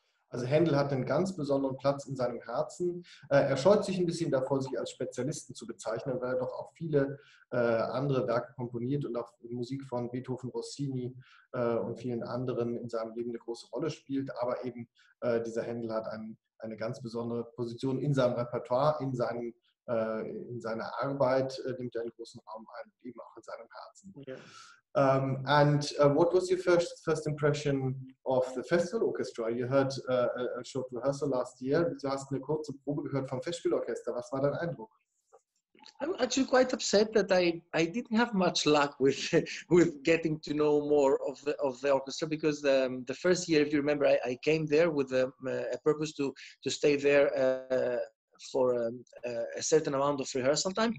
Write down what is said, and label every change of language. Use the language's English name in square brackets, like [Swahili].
[German] Also Handel hat einen ganz besonderen Platz in seinem Herzen. Er scheut sich ein bisschen davor, sich als Spezialisten zu bezeichnen, weil er doch auch viele andere Werke komponiert und auch Musik von Beethoven, Rossini und vielen anderen in seinem Leben eine große Rolle spielt. Aber eben dieser Handel hat eine ganz besondere Position in seinem Repertoire, in seiner Arbeit nimmt er einen großen Raum ein, eben auch in seinem Herzen. Ja. [English] And what was your first impression of the festival orchestra? You heard a short rehearsal last year. [German] Du hast eine kurze Probe gehört vom Festspielorchester. Was war dein Eindruck? [English] I'm actually quite upset that I didn't have much luck with getting to know more of the orchestra, because the first year, if you remember, I came there with a purpose to stay there for a certain amount of rehearsal time, mm-hmm.